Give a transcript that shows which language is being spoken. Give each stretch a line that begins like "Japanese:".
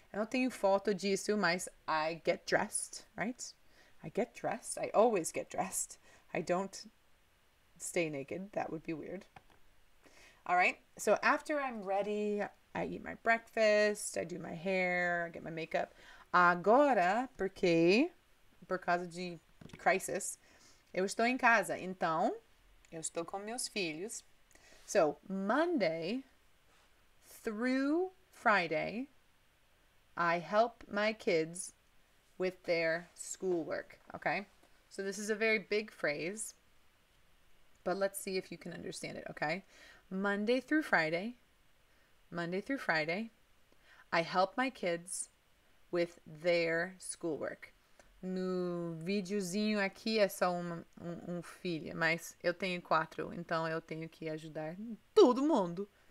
English: I don't think you fall to Jisoo, mice. I get dressed, right? I get dressed. I always get dressed. I don't stay naked. That would be weird. All right. So after I'm ready, I eat my breakfast. I do my hair. I get my makeup.
Portuguese: Agora, porque, por causa de crisis, eu estou em casa. Então, eu estou com meus filhos.
English: So, Monday through Friday, I help my kids with their schoolwork, okay? So, this is a very big phrase, but let's see if you can understand it, okay? Monday through Friday, I help my kids with their schoolwork.
Portuguese: No videozinho aqui é só um filho, mas eu tenho quatro, então eu tenho que ajudar todo mundo.